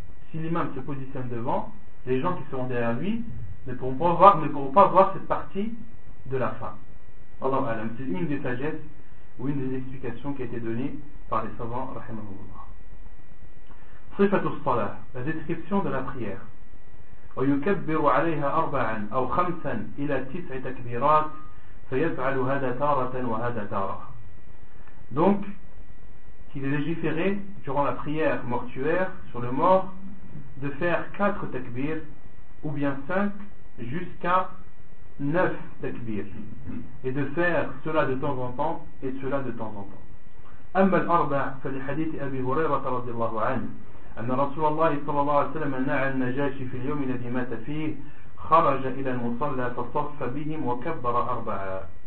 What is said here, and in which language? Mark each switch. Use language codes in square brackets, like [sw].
[fr] Si l'imam se positionne devant, les gens qui seront derrière lui ne pourront pas voir, ne pourront pas voir cette partie de la femme. Alors, Adam, c'est une des sagesses ou une des explications qui a été donnée par les savants, rahimahoullah. [ar] Sifatu salah, [fr] la description de la prière. [ar] ويكبر عليها أربعا أو خمسا إلى تسع تكبيرات فيفعل هذا تارة وهذا تارة. [fr] Donc, qu'il est légiféré durant la prière mortuaire sur le mort de faire 4 takbir ou bien 5 jusqu'à 9 takbir et de faire cela de temps en temps et cela de temps en temps. [ar] أما الأربع فلحديث أبي هريرة رضي الله عنه أن رسول الله صلى الله عليه وسلم نعى النجاشي في اليوم الذي مات فيه خرج إلى المصلى فصف بهم وكبر أربعا.